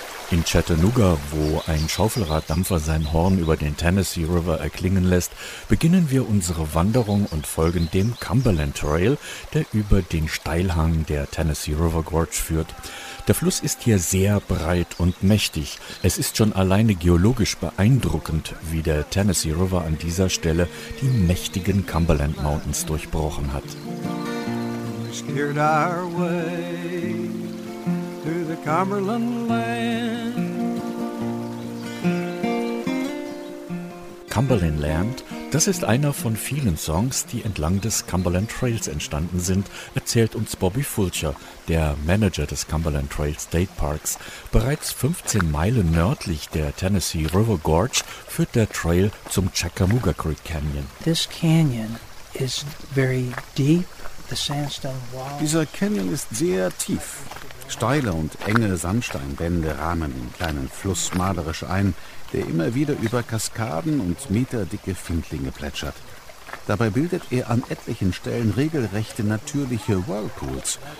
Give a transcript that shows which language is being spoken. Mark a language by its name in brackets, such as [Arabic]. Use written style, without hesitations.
[German] In Chattanooga, wo ein Schaufelraddampfer sein Horn über den Tennessee River erklingen lässt, beginnen wir unsere Wanderung und folgen dem Cumberland Trail, der über den Steilhang der Tennessee River Gorge führt. Der Fluss ist hier sehr breit und mächtig. Es ist schon alleine geologisch beeindruckend, wie der Tennessee River an dieser Stelle die mächtigen Cumberland Mountains durchbrochen hat. [English] We steered our way through the Cumberland Land. [German] Cumberland Land, das ist einer von vielen Songs, die entlang des Cumberland Trails entstanden sind, erzählt uns Bobby Fulcher, der Manager des Cumberland Trail State Parks. Bereits 15 Meilen nördlich der Tennessee River Gorge führt der Trail zum Chickamauga Creek Canyon. [English] This canyon is very deep. The sandstone wall. [German] Dieser Canyon ist sehr tief. Steile und enge Sandsteinwände rahmen den kleinen Fluss malerisch ein, der immer wieder über Kaskaden und meterdicke Findlinge plätschert. Dabei bildet er an etlichen Stellen regelrechte natürliche Whirlpools.